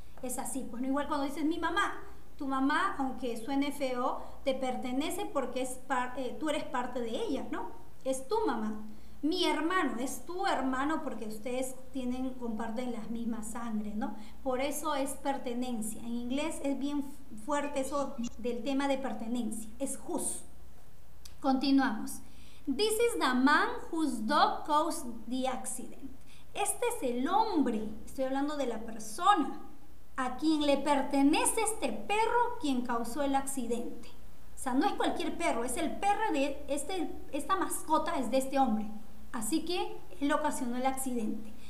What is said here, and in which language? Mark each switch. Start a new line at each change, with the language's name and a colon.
Spanish: Es así, pues no igual cuando dices mi mamá, tu mamá, aunque suene feo, te pertenece porque es tú eres parte de ella, ¿no? Es tu mamá. Mi hermano, es tu hermano porque ustedes comparten la misma sangre, ¿no? Por eso es pertenencia. En inglés es bien fuerte eso del tema de pertenencia. Es whose. Continuamos.
English: This is the man whose dog caused the accident.
Spanish: Este es el hombre, estoy hablando de la persona, a quien le pertenece este perro quien causó el accidente. O sea, no es cualquier perro, es el perro de esta mascota es de este hombre. Así que él ocasionó el accidente.